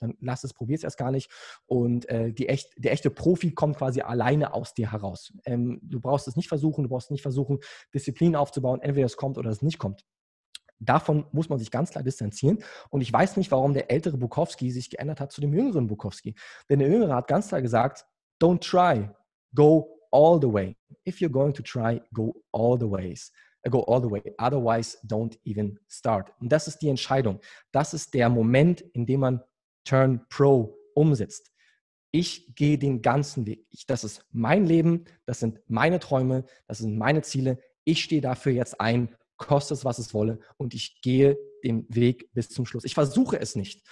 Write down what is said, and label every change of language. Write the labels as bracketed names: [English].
[German] Dann lass es, probier es erst gar nicht. Und der echte Profi kommt quasi alleine aus dir heraus. Du brauchst nicht versuchen, Disziplin aufzubauen. Entweder es kommt oder es nicht kommt. Davon muss man sich ganz klar distanzieren. Und ich weiß nicht, warum der ältere Bukowski sich geändert hat zu dem jüngeren Bukowski. Denn der Jüngere hat ganz klar gesagt, [English] don't try, go all the way. If you're going to try, go all the way. Otherwise, don't even start. [German] Und das ist die Entscheidung. Das ist der Moment, in dem man Turn Pro umsetzt. Ich gehe den ganzen Weg. Das ist mein Leben. Das sind meine Träume. Das sind meine Ziele. Ich stehe dafür jetzt ein, koste es, was es wolle. Und ich gehe den Weg bis zum Schluss. Ich versuche es nicht.